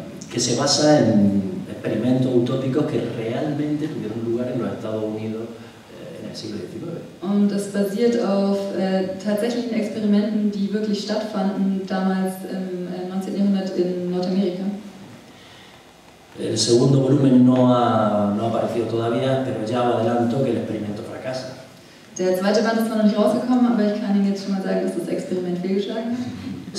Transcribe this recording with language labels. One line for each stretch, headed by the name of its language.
Spanish: Que se basa en experimentos utópicos que realmente tuvieron lugar en los Estados Unidos en el siglo XIX.
German: Und es basiert auf tatsächlichen Experimenten, die wirklich stattfanden damals im 19. Jahrhundert in Nordamerika.
Spanish: El segundo volumen no ha aparecido todavía, pero ya adelanto que el experimento fracasa.
German: Der zweite Band ist noch nicht rausgekommen, aber ich kann Ihnen jetzt schon mal sagen, dass das Experiment fehlgeschlagen ist.